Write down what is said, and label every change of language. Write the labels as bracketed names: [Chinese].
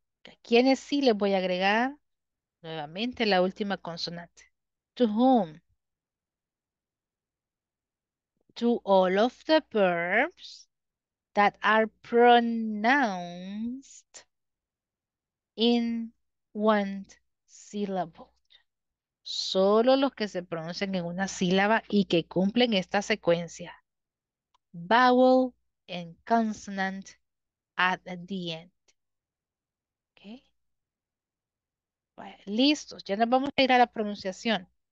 [Spanish] ¿A quiénes sí les voy a agregar nuevamente la última consonante? [English] To whom? To all of the verbs that are pronounced in one syllable. [Spanish] Solo los que se pronuncian en una sílaba y que cumplen esta secuencia. [English] Vowel and consonant at the end. Okay. [Spanish] Bueno, listos. Ya nos vamos a ir a la pronunciación.